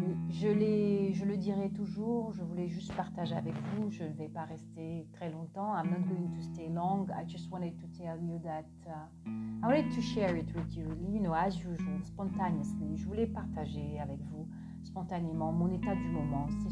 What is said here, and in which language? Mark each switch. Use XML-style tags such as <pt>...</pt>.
<fr>Je le dirai toujours, je voulais juste partager avec vous, je ne vais pas rester très longtemps.</fr> <en>I'm not going to stay long, I just wanted to tell you that, I wanted to share it with you, you know, as usual, spontaneously.</en> <fr>Je voulais partager avec vous, spontanément, mon état du moment.</fr>